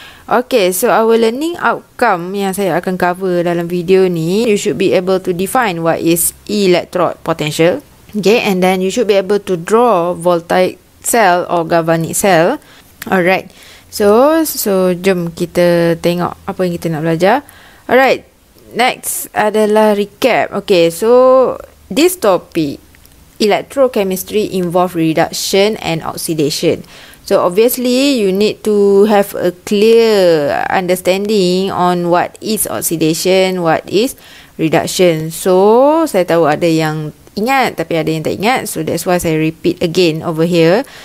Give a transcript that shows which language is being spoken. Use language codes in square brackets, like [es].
[en] Okay, so our learning outcome [ms] yang saya akan cover dalam video ni, [en] you should be able to define what is electrode potential. Okay, and then you should be able to draw voltaic cell or galvanic cell. [ms] Alright. So jom kita tengok apa yang kita nak belajar. [en] Alright, next adalah recap. Okay, so this topic, electrochemistry involve reduction and oxidation. So obviously, you need to have a clear understanding on what is oxidation, what is reduction. [ms] So, saya tahu ada yang ingat tapi ada yang tak ingat. [en] So, that's why saya repeat again over here.